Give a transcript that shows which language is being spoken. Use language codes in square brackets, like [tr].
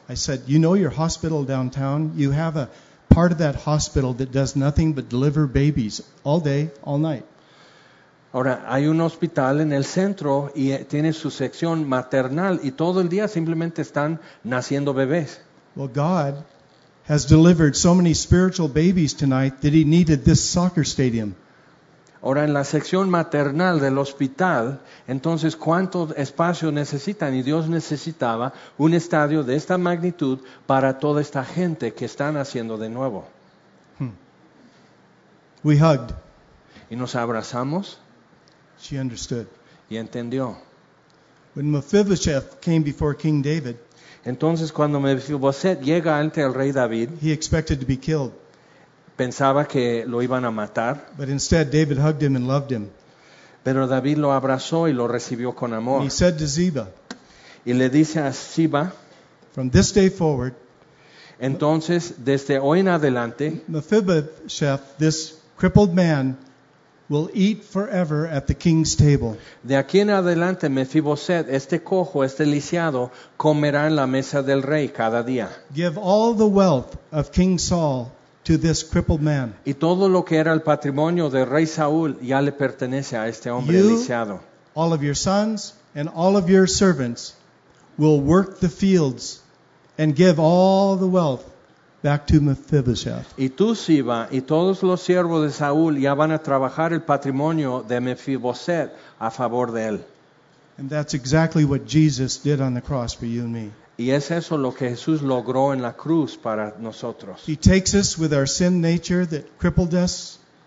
[en] I said, you know your hospital downtown? You have a part of that hospital that does nothing but deliver babies all day, all night. [es] Ahora, hay un hospital en el centro y tiene su sección maternal y todo el día simplemente están naciendo bebés. [en] Well, God has delivered so many spiritual babies tonight that He needed this soccer stadium. [es] Ahora, en la sección maternal del hospital, entonces, ¿cuánto espacio necesitan? Y Dios necesitaba un estadio de esta magnitud para toda esta gente que están haciendo de nuevo. [en] We hugged. [es] Y nos abrazamos. [en] She understood. [es] Y entendió. [en] When Mephibosheth came before King David, [es] entonces, cuando Mephibosheth llega ante el rey David, [en] he expected to be killed. [es] Pensaba que lo iban a matar. [en] But instead, David hugged him and loved him. [es] Pero David lo abrazó y lo recibió con amor. [en] And he said to Ziba, [es] y le dice a Ziba, [en] from this day forward, [es] entonces, desde hoy en adelante, [en] Mephibosheth, this crippled man, will eat forever at the king's table. [es] De aquí en adelante, Mephibosheth, este cojo, este lisiado, comerá en la mesa del rey cada día. [en] Give all the wealth of King Saul to this crippled man. [es] Y todo lo que era el patrimonio del rey Saúl ya le pertenece a este hombre lisiado. [en] All of your sons and all of your servants will work the fields and give all the wealth back to Mephibosheth. [es] Y tú, Siba, y todos los siervos de Saúl ya van a trabajar el patrimonio de Mephibosheth a favor de él. [en] And that's exactly what Jesus did on the cross for you and me. [es] Y es eso lo que Jesús logró en la cruz para nosotros. [en] He takes us with our sin nature that crippled us.